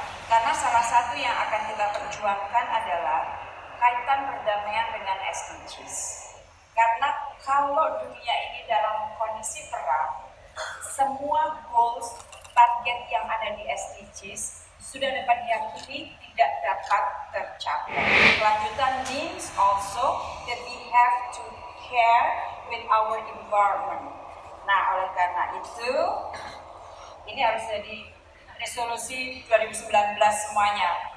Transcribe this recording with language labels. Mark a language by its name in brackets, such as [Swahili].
[Indonesian] Karena salah satu yang akan kita perjuangkan adalah kaitan perdamaian dengan SDGs. Karena kalau dunia ini dalam kondisi perang, semua goals, target yang ada di SDGs sudah dapat diakui tidak dapat tercapai. Kelanjutan [English] means also that we have to care with our environment. [Indonesian] Nah, oleh karena itu, ini harus jadi resolusi 2019 semuanya.